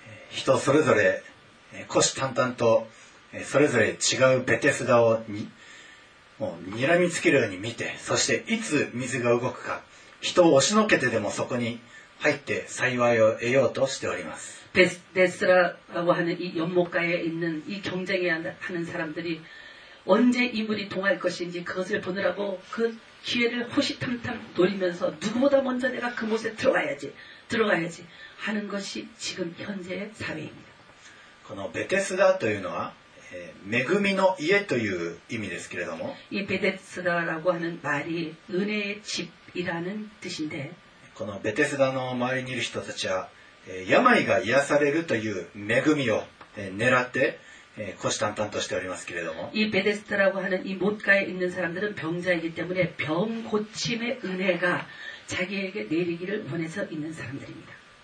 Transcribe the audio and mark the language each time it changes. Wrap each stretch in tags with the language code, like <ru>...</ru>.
<ja>人それぞれ虎視眈々とそれぞれ違うベテスダをもう睨みつけるように見て、そしていつ水が動くか人を押しのけてでもそこに入って幸いを得ようとしております。</ja> <ko>베데스라고하는이연못가에있는이경쟁을하는사람들이 언제이물이통할것인지그것을보느라고그기회를호시탐탐노리면서누구보다먼저내가그곳에들어가야지들어가야지하는것이지금현재의사회입니다</ko> <ja>このベテスダというのは恵みの家という意味ですけれども</ja> <ko>이베테스다라고하는말이은혜의집이라는뜻인데</ko> <ja>このベテスダの周りにいる人たちは病が癒されるという恵みを狙って虎視眈々としておりますけれども</ja> <ko>이베테스다라고하는이못가에있는사람들은병자이기때문에병고침의은혜가자기에게내리기를원해서있는사람들입니다</ko>